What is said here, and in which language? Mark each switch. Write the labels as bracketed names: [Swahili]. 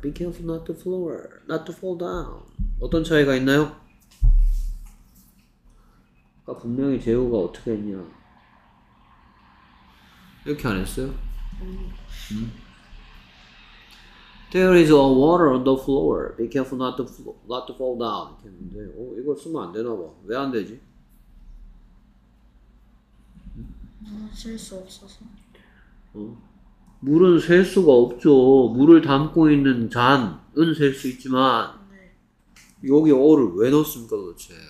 [English] Be careful not to floor, not to fall down. [Korean] 어떤 차이가 있나요? 아까 분명히 재호가 어떻게 했냐? 이렇게 안 했어요? [English] There is a water on the floor. Be careful not to not to fall down. [Korean] 했는데, 어, 이걸 쓰면 안 되나 봐. 왜 안 되지? 실수 없어서. 어? 물은 셀 수가 없죠. 물을 담고 있는 잔은 셀 수 있지만 여기 어를 왜 넣었습니까 도대체?